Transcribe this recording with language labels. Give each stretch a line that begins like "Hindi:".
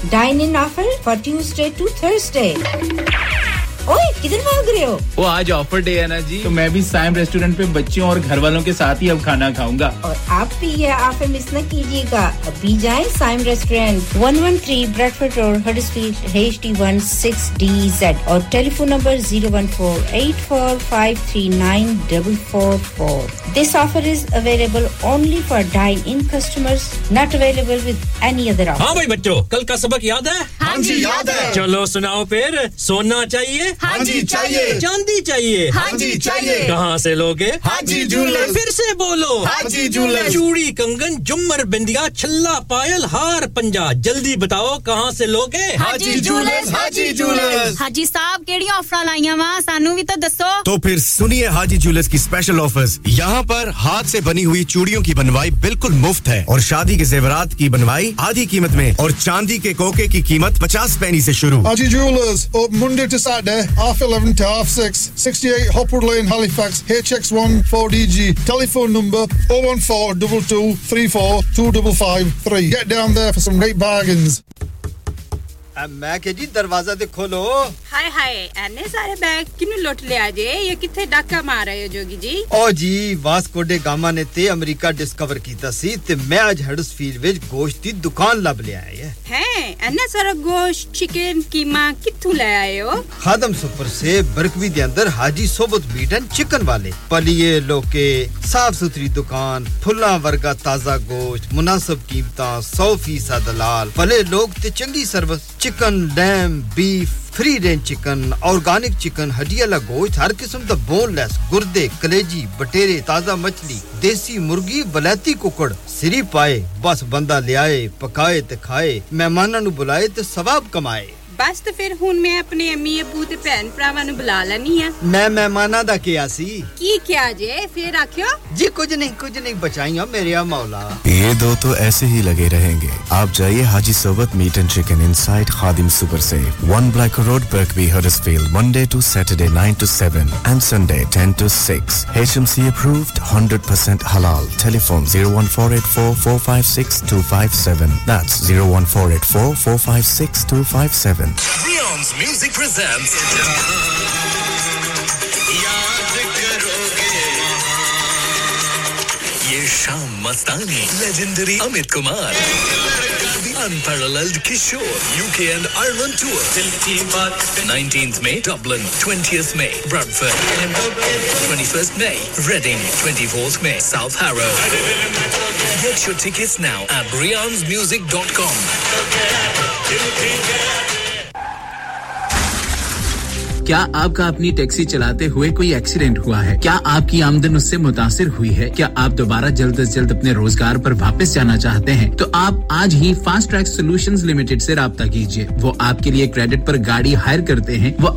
English: Dine-in offer for Tuesday to Thursday.
Hindi: Oh, आज offer day है ना जी तो मैं भी साइम रेस्टोरेंट पे बच्चों और घर वालों के साथ ही अब खाना खाऊंगा और आप भी यह ऑफर मिस ना कीजिएगा अभी जाएं Saim restaurant 113 Bradford road Huddersfield HD16DZ और telephone number 01484539444
English: This offer is available only for dine-in customers, not available with any other offer.
Hindi: हाँ भाई बच्चों, कल का सबक याद है? हाँ जी याद है। चलो सुनाओ फिर, सोना चाहिए? हाँ जी चाहिए। चांदी चाहिए? हाँ जी चाहिए। कहाँ से लोगे? हाँ जी जूलर्स। फिर से बोलो। हाँ जी जूलर्स। चूड़ी, कंगन, जुमर, बिंदिया, छल्ला, पायल, हार, पंजा, जल्दी बताओ कहाँ से लोगे? हाँ जी जूलर्स। हाँ जी जूलर्स। हाँ जी साहब,
Punjabi: केड़ी ऑफर लाई हैं वहाँ? सानू भी तो दसो।
Hindi: तो पर हाथ से बनी हुई चूड़ियों की बनवाई बिल्कुल मुफ्त है और शादी के जेवरात की बनवाई आधी कीमत में और चांदी के कोके की कीमत 50 penny se shuru.
English: Haji Jewelers, open Monday to Saturday, 11:30 to 6:30, 68 Hopwood Lane, Halifax, HX1 4DG. Telephone number 01422342553. Get down there for some great bargains.
Punjabi: ਮੈਂ ਕਿਹਾ ਜੀ ਦਰਵਾਜ਼ਾ ਤੇ ਖੋਲੋ ਹਾਏ ਹਾਏ ਐਨੇ ਸਾਰੇ ਬੈਗ ਕਿਨੂੰ ਲੁੱਟ ਲਿਆ ਜੇ ਇਹ ਕਿੱਥੇ ਡਾਕਾ ਮਾਰ ਰਹੇ ਹੋ ਜੋਗੀ ਜੀ ਓ ਜੀ ਵਾਸਕੋ ਡੇ ਗਾਮਾ ਨੇ ਤੇ ਅਮਰੀਕਾ ਡਿਸਕਵਰ ਕੀਤਾ ਸੀ ਤੇ ਮੈਂ ਅੱਜ ਹੈਡਸਫੀਲਡ ਵਿੱਚ ਗੋਸ਼ਤ ਦੀ ਦੁਕਾਨ ਲੱਭ ਲਿਆ ਹੈ ਹੈ ਐਨੇ ਸਾਰੇ ਗੋਸ਼ਤ ਚਿਕਨ ਕੀਮਾ ਕਿੱਥੋਂ ਲੈ ਆਏ ਹੋ ਖਾਦਮ ਸੁਪਰ ਸੇ ਬਰਕਵੀ ਦੇ ਅੰਦਰ ਹਾਜੀ ਸੋਬਤ ਮੀਟ ਐਂਡ ਚਿਕਨ ਵਾਲੇ ਪਲੀਏ ਲੋਕੇ ਸਾਫ ਸੁਥਰੀ ਦੁਕਾਨ ਫੁੱਲਾਂ ਵਰਗਾ ਤਾਜ਼ਾ ਗੋਸ਼ਤ ਮੁਨਾਸਬ ਕੀਮਤਾਂ 100% ਦਲਾਲ ਭਲੇ ਲੋਕ ਤੇ ਚੰਗੀ service
English: Chicken, lamb, beef, free-range chicken, organic chicken,
Punjabi: hadiyala gosht, har kisam da boneless, gurde, kaleji, batere, taza machli, desi murgi, balati kukad, siri paaye, bas banda liaye, pakaye te khaye, mehmanan nu bulaye te sawab kamaye. ਬਸ ਤੇ ਫਿਰ ਹੁਣ ਮੈਂ ਆਪਣੇ ਅੰਮੀ ਅੱਬੂ ਤੇ ਭੈਣ ਭਰਾਵਾਂ ਨੂੰ ਬੁਲਾ ਲੈਣੀ ਆ ਮੈਂ ਮਹਿਮਾਨਾਂ ਦਾ ਕਿਹਾ ਸੀ ਕੀ ਕਿਹਾ ਜੇ ਫਿਰ ਆਖਿਓ ਜੀ ਕੁਝ ਨਹੀਂ ਬਚਾਈਆਂ ਮੇਰੇ ਮੌਲਾ ਇਹ ਦੋ ਤੋਂ ਐਸੇ ਹੀ ਲਗੇ ਰਹਿਣਗੇ ਆਪ ਜਾਈਏ ਹਾਜੀ ਸਵਤ meat and chicken inside Khadim super say 1 black road ਬਰਕਵੀ ਹਰਿਸਫੀਲਡ Monday to Saturday 9 to 7 and Sunday 10 to 6 HMC approved 100% ਹਲਾਲ telephone 01484456257 that's 01484456257
English: Rion's Music presents Yaad karoge Ye Shaam Mastani Legendary Amit Kumar Unparalleled Kishore UK and Ireland Tour 19th May Dublin 20th May Bradford 21st May Reading 24th May South Harrow Get your tickets now at riansmusic.com
Hindi: क्या आपका अपनी taxi चलाते हुए कोई accident हुआ है क्या आपकी आमदनी उससे मुतासिर हुई है क्या आप दोबारा जल्द से जल्द अपने रोजगार पर वापस जाना चाहते हैं तो आप आज ही फास्ट ट्रैक सॉल्यूशंस लिमिटेड से رابطہ कीजिए वो आपके लिए क्रेडिट पर गाड़ी हायर करते हैं वो